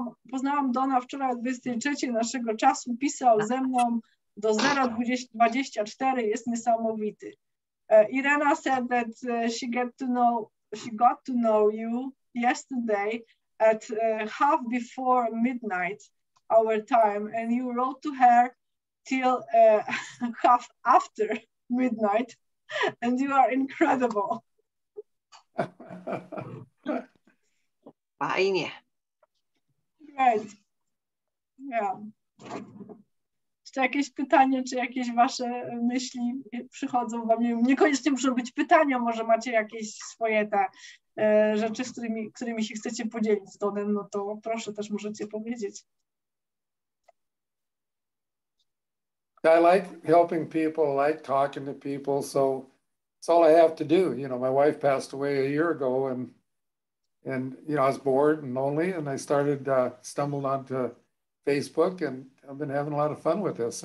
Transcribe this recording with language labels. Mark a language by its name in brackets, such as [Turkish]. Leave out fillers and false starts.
[Polish] Poznałam Dona wczoraj o 23 naszego czasu, pisał ze mną do 0.24 jest niesamowity. [English] Irena said that she got to know you yesterday at half before midnight our time, and you wrote to her till half after midnight, and you are incredible. [Polish] Fajnie. [English] Great. Yeah. [Polish] Czy jakieś pytania, czy jakieś wasze myśli przychodzą wam? Niekoniecznie muszą być pytania, może macie jakieś swoje te rzeczy, z którymi się chcecie podzielić z Donem, no to proszę, też możecie powiedzieć. [English] I like helping people, I like talking to people, so it's all I have to do. You know, my wife passed away a year ago, and you know, I was bored and lonely, and I started, stumbled onto Facebook, and I've been having a lot of fun with this.